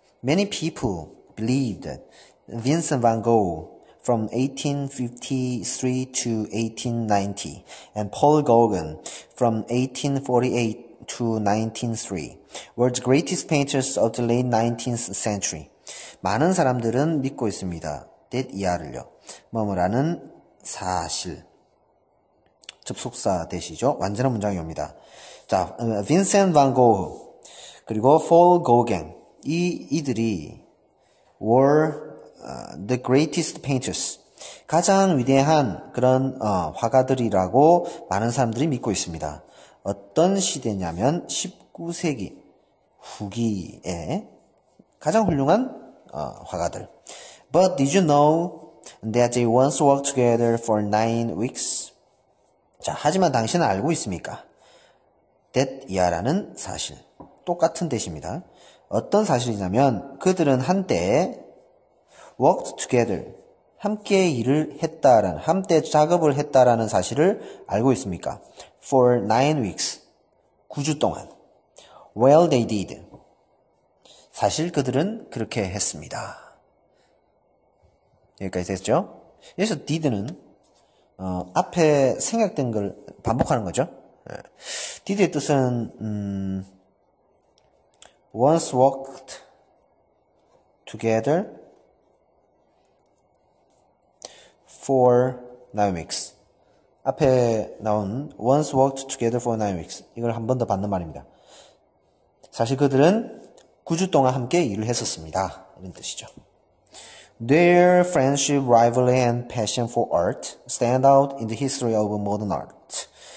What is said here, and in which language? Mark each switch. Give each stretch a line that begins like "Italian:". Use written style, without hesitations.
English: Many people believed that Vincent van Gogh from 1853 to 1890 and Paul Gauguin from 1848 to 1903 were the greatest painters of the late 19th century.
Korean: 많은 사람들은 믿고 있습니다. 뜻 이하를요. 뭐뭐라는 사실. 접속사 되시죠? 완전한 문장이옵니다. 자, Vincent van Gogh 그리고 Paul Gauguin 이들이
English: were the greatest painters
Korean: 가장 위대한 그런 화가들이라고 많은 사람들이 믿고 있습니다. 어떤 시대냐면 19세기 후기에 가장 훌륭한 화가들.
English: But did you know that they once worked together for 9 weeks?
Korean: 자, 하지만 당신은 알고 있습니까? That 이하라는 사실. 똑같은 뜻입니다. 어떤 사실이냐면 그들은 한때
English: worked together,
Korean: 함께 일을 했다라는, 함께 작업을 했다라는 사실을 알고 있습니까?
English: For 9 weeks,
Korean: 9주 동안.
English: Well, they did.
Korean: 사실 그들은 그렇게 했습니다. 여기까지 됐죠? 여기서 did는 앞에 생략된 걸 반복하는 거죠. did의 뜻은
English: once worked together for 9 weeks.
Korean: 앞에 나온
English: once worked together for 9 weeks.
Korean: 이걸 한 번 더 받는 말입니다. 사실 그들은 9주 동안 함께 일을 했었습니다. 이런 뜻이죠.
English: Their friendship, rivalry, and passion for art stand out in the history of modern art.